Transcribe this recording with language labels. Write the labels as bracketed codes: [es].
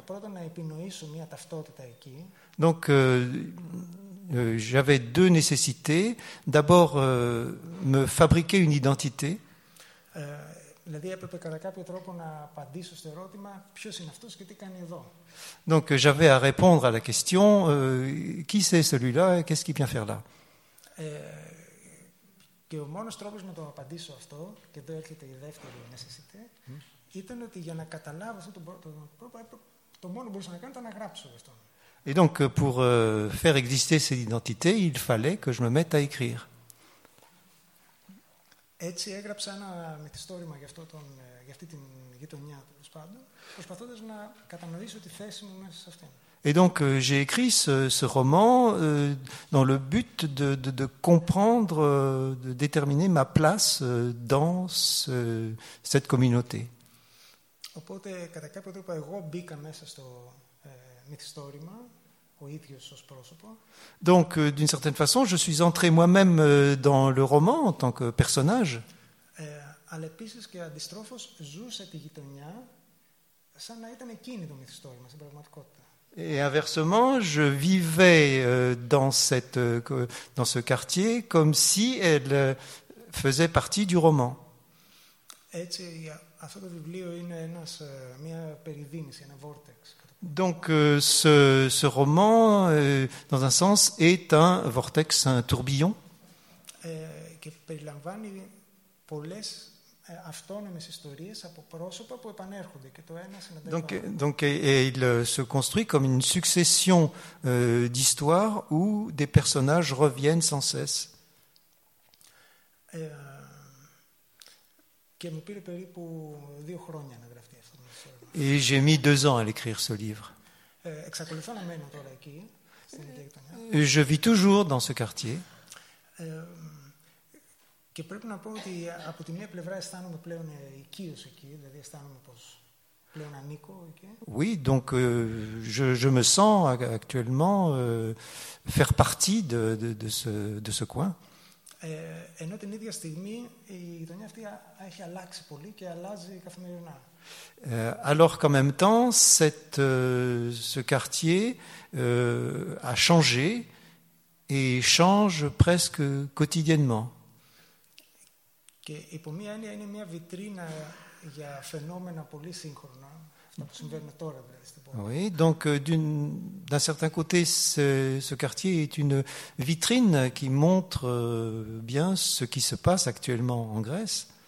[el] Πρώτα να επινοήσω μια ταυτότητα εκεί. [fr] Donc, j'avais deux nécessités. D'abord, me fabriquer une identité. [el] Δηλαδή έπρεπε κατά κάποιο τρόπο να απαντήσω στο ερώτημα ποιος είναι αυτός και τι κάνει εδώ. [fr] Donc j'avais à répondre à la question qui c'est celui-là et qu'est-ce qu'il vient faire là. [el] Και ο μόνος τρόπος να το απαντήσω αυτό, και εδώ έρχεται η δεύτερη necessity, ήταν ότι για να καταλάβω αυτό το πρόβλημα, το μόνο που μπορούσα να κάνω ήταν να γράψω αυτό. [fr] Et donc, pour faire exister cette identité, il fallait que je me mette à écrire. [el] Έτσι έγραψα ένα μυθιστόρημα για αυτό τον, για αυτή την γειτονιά, τέλος πάντων, προσπαθώντας να κατανοήσω τη θέση μου μέσα σε αυτήν. [fr] Et donc j'ai écrit ce roman dans le but de comprendre, de déterminer ma place dans cette communauté. [el] Οπότε, κατά κάποιο τρόπο, εγώ μπήκα μέσα στο μυθιστόρημα, ο ίδιος ως πρόσωπο. [fr] Donc d'une certaine façon, je suis entré moi-même dans le roman en tant que personnage. [el] Αλλά επίσης και αντιστρόφως ζούσα τη γειτονιά σαν να ήταν εκείνη το μυθιστόρημα στην πραγματικότητα. [fr] Et inversement, je vivais dans ce quartier comme si elle faisait partie du roman. [el] Έτσι, αυτό το βιβλίο είναι μια περιδίνηση, ένα vortex. [fr] Donc ce roman, dans un sens, est un vortex, un tourbillon. [el] Και περιλαμβάνει πολλές αυτόνομες ιστορίες από πρόσωπα που επανέρχονται και το ένα συνεδέχεται. [fr] Donc il se construit comme une succession d'histoires où des personnages reviennent sans cesse. [el] Και μου πήρε περίπου δύο χρόνια να γραφτεί αυτό το [fr] livre. Et j'ai mis deux ans à l'écrire ce livre. [el] Εξακολουθώ να μένω τώρα εκεί. [fr] Je vis toujours dans ce quartier. [el] Και πρέπει να πω ότι από τη μία πλευρά αισθάνομαι πλέον οικείος εκεί, δηλαδή αισθάνομαι πως πλέον ανήκω εκεί. [fr] Oui, donc je me sens actuellement faire partie de ce coin. [el] Ενώ την ίδια στιγμή η γειτονιά αυτή έχει αλλάξει πολύ και αλλάζει καθημερινά. [fr] Alors qu'en même temps, ce quartier a changé et change presque quotidiennement. [el] Και υπό μία έννοια είναι μία βιτρίνα για φαινόμενα πολύ σύγχρονα, αυτά που συμβαίνουν τώρα δηλαδή στην πόλη. [fr] Oui, donc d'un certain côté, ce quartier est une vitrine qui montre bien ce qui se passe actuellement en Grèce.